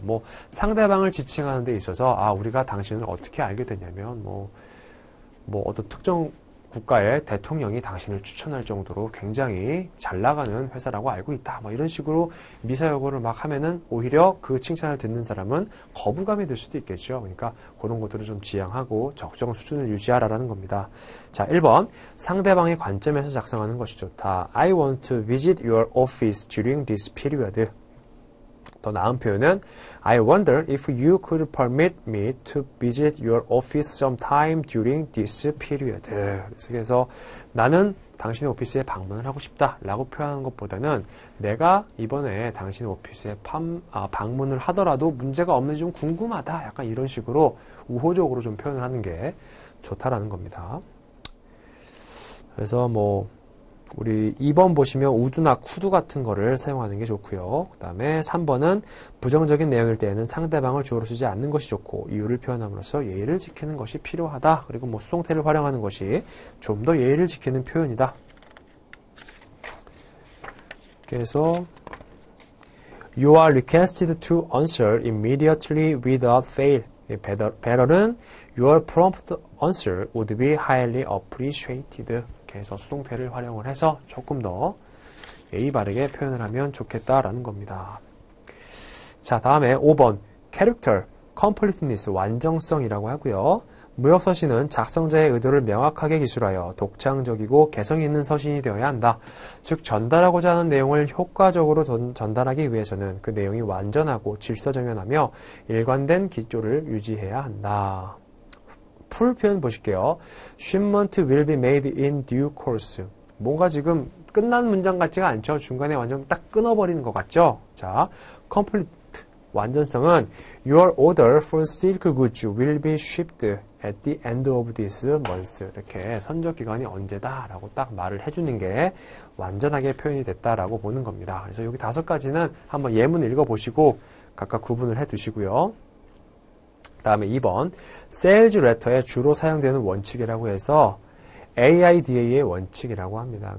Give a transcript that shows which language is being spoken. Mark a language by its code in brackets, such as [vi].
[ko] 뭐 상대방을 지칭하는 데 있어서 아 우리가 당신을 어떻게 알게 됐냐면 뭐 어떤 특정 국가의 대통령이 당신을 추천할 정도로 굉장히 잘 나가는 회사라고 알고 있다. 뭐 이런 식으로 미사여구를 막 하면은 오히려 그 칭찬을 듣는 사람은 거부감이 들 수도 있겠죠. 그러니까 그런 것들을 좀 지양하고 적정 수준을 유지하라라는 겁니다. 자, 1번. 상대방의 관점에서 작성하는 것이 좋다. [en] I want to visit your office during this period. [ko] 더 나은 표현은 [en] I wonder if you could permit me to visit your office sometime during this period. [ko] 그래서 나는 당신의 오피스에 방문을 하고 싶다라고 표현하는 것보다는 내가 이번에 당신의 오피스에 방문을 하더라도 문제가 없는지 좀 궁금하다. 약간 이런 식으로 우호적으로 좀 표현을 하는 게 좋다라는 겁니다. 그래서 뭐 우리 2번 보시면 우드나 쿠드 같은 거를 사용하는 게 좋고요. 그다음에 3번은 부정적인 내용일 때에는 상대방을 주어로 쓰지 않는 것이 좋고 이유를 표현함으로써 예의를 지키는 것이 필요하다. 그리고 뭐 수동태를 활용하는 것이 좀더 예의를 지키는 표현이다. 그래서 [en] You are requested to answer immediately without fail. Better는 Your prompt answer would be highly appreciated. [ko] 해서 수동태를 활용을 해서 조금 더 예의 바르게 표현을 하면 좋겠다라는 겁니다. 자, 다음에 5번 Character, Completeness, 완정성이라고 하고요. 무역서신은 작성자의 의도를 명확하게 기술하여 독창적이고 개성 있는 서신이 되어야 한다. 즉, 전달하고자 하는 내용을 효과적으로 전달하기 위해서는 그 내용이 완전하고 질서정연하며 일관된 기조를 유지해야 한다. 풀 표현 보실게요. [en] Shipment will be made in due course. [ko] 뭔가 지금 끝난 문장 같지가 않죠? 중간에 완전 딱 끊어버리는 것 같죠? 자, complete, 완전성은 [en] Your order for silk goods will be shipped at the end of this month. [ko] 이렇게 선적 기간이 언제다 라고 딱 말을 해주는 게 완전하게 표현이 됐다라고 보는 겁니다. 그래서 여기 다섯 가지는 한번 예문을 읽어보시고 각각 구분을 해두시고요. 다음에 2번, sales letter에 주로 사용되는 원칙이라고 해서 AIDA의 원칙이라고 합니다.